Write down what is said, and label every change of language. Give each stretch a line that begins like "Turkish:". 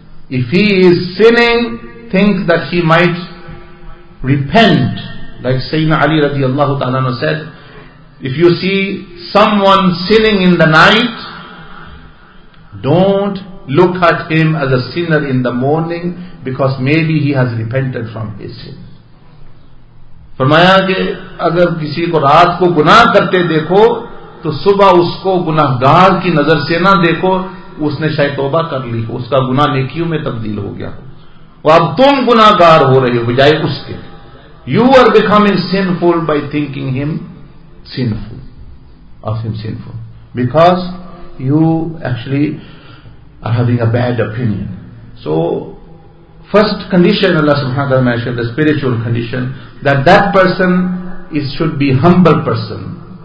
English: If he is sinning, think that he might repent. Like Sayyidina Ali radiallahu ta'ala said, if you see someone sinning in the night, don't look at him as a sinner in the morning, because maybe he has repented from his sin.
Urdu: فرمایا کہ اگر کسی کو رات کو گناہ کرتے دیکھو تو صبح اس کو گناہگار کی نظر سے نہ دیکھو, اس نے شاید توبہ کر لی, اس کا گناہ نیکیوں میں تبدیل ہو گیا, اب تم گناہگار ہو رہے ہو بجائے اس کے.
English: You are becoming sinful by thinking him sinful, of him sinful, because you actually are having a bad opinion. So, first condition Allah subhanahu wa ta'ala mentioned, the spiritual condition, that that person is should be humble person.